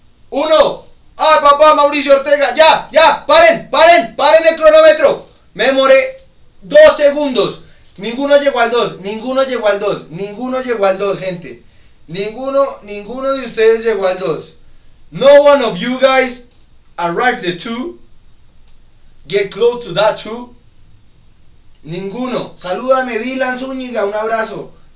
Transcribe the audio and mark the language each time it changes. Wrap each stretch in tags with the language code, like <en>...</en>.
<es>¡Uno! ¡Ah, papá, Mauricio Ortega! ¡Ya, ya! ¡Paren, paren, paren el cronómetro! Me demoré 2 segundos. Ninguno llegó al 2, ninguno llegó al 2, ninguno llegó al 2, gente. Ninguno de ustedes llegó al 2.</es> <en>No one of you guys arrived the 2. Get close to that 2.</en> <es>Ninguno. Salúdame, Dylan Zúñiga, un abrazo.</es>